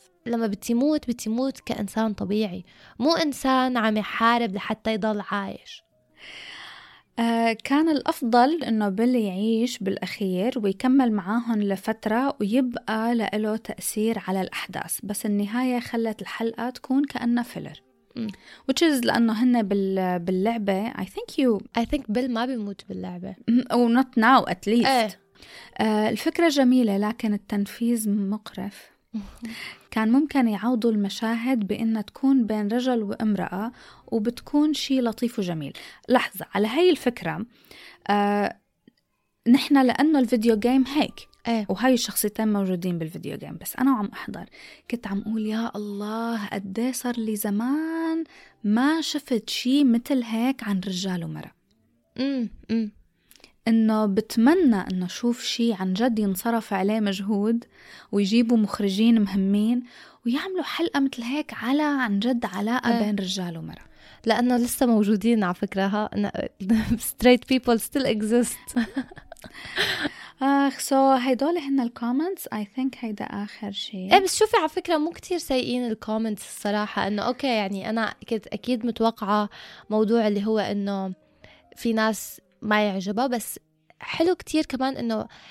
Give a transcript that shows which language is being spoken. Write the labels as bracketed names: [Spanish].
[Arabic] لما بتموت بتموت كإنسان طبيعي، مو إنسان عم يحارب لحتى يضل عايش. كان الأفضل إنه بيل يعيش بالأخير ويكمل معاهم لفترة ويبقى لإله تأثير على الأحداث، بس النهاية خلت الحلقة تكون كأنها فيلر. [English] Which is [Arabic] لأنه هن باللعبة [English] I think [Arabic] بيل ما بيموت باللعبة [English] أو not now at least. [Arabic] الفكرة جميلة لكن التنفيذ مقرف. كان ممكن يعوضوا المشاهد بأنها تكون بين رجل وامرأة وبتكون شيء لطيف وجميل. لحظة على هاي الفكرة، نحن لأنه الفيديو جيم هيك وهاي الشخصيتين موجودين بالفيديو جيم، بس أنا وعم أحضر كنت عم أقول يا الله قدي صار لي زمان ما شفت شيء مثل هيك عن رجال ومرأة. إنه بتمنى إنه شوف شيء عن جد ينصرف عليه مجهود ويجيبوا مخرجين مهمين ويعملوا حلقة مثل هيك على عن جد علاقة بين رجال ومرأة، لأنه لسه موجودين على فكرة. [English] ها straight people still exist. [Arabic] آخ سو هيدول هن الكومنتس. [English] I think [Arabic] هيدا آخر شيء. إيه بس شوفي على فكرة مو كتير سيئين الكومنتس الصراحة، إنه أوكي يعني أنا كنت أكيد متوقعة موضوع اللي هو إنه في ناس ما يعجبها، بس حلو كتير كمان انه